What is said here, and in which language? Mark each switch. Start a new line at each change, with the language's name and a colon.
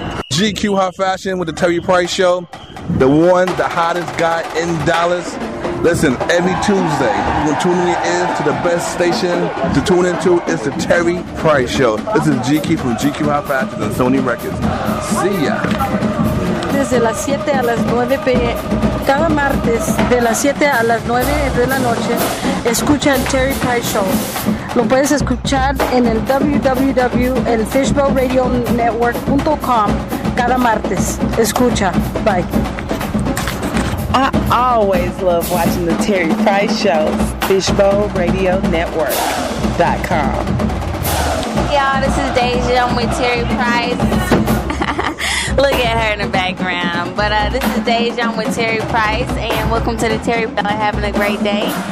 English: GQ Hot Fashion with the Terry Price Show. The one, the hottest guy in Dallas. Listen, every Tuesday, we're tuning in to the best station to tune into. It's the Terry Price Show. This is GQ from GQ Hot Fashion and Sony Records. See ya.
Spanish: Desde las 7 a las 9 p.m. Cada martes de las 7 a las 9 de la noche, escucha el Terry Price Show. Lo puedes escuchar en el www.elfishbowlradionetwork.com cada martes. Escucha. Bye.
English: I always love watching the Terry Price Show. Fishbowlradionetwork.com. Y'all, this is Deja. I'm with Terry Price. Look at her in the background. But this is Deja. I'm with Terry Price. And welcome to the Terry Price. Having a great day.